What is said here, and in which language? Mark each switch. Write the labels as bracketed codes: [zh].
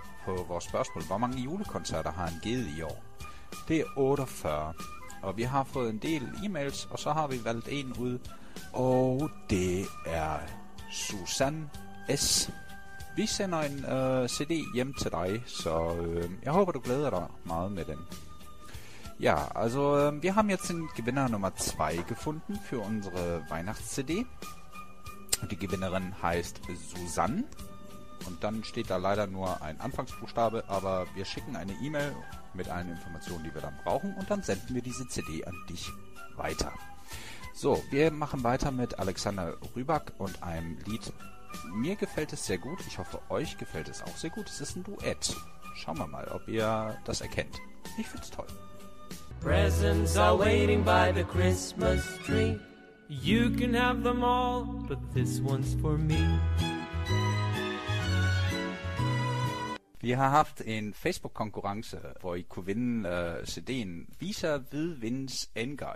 [da] på vores spørgsmål, hvor mange julekoncerter har han givet i år? Det er 48, og vi har fået en del e-mails, og så har vi valgt en ud, og det er Susanne S. Vi sender en CD hjem til dig, så jeg håber, du glæder dig meget med den. Ja, altså, vi har [de] jetzt en gewinner nummer 2 gefunden für unsere Weihnachts-CD. Die Gewinnerin heißt Susanne. Und dann steht da leider nur ein Anfangsbuchstabe, aber wir schicken eine E-Mail mit allen Informationen, die wir dann brauchen, und dann senden wir diese CD an dich weiter. So, wir machen weiter mit Alexander Rybak und einem Lied. Mir gefällt es sehr gut, ich hoffe, euch gefällt es auch sehr gut. Es ist ein Duett. Schauen wir mal, ob ihr das erkennt. Ich find's toll. [en] Presents are waiting by the Christmas tree. You can have them all, but this one's for me. [da] Vi har haft en Facebook-konkurrence, hvor I kunne vinde CD'en Visa Hvid Vindens Enger.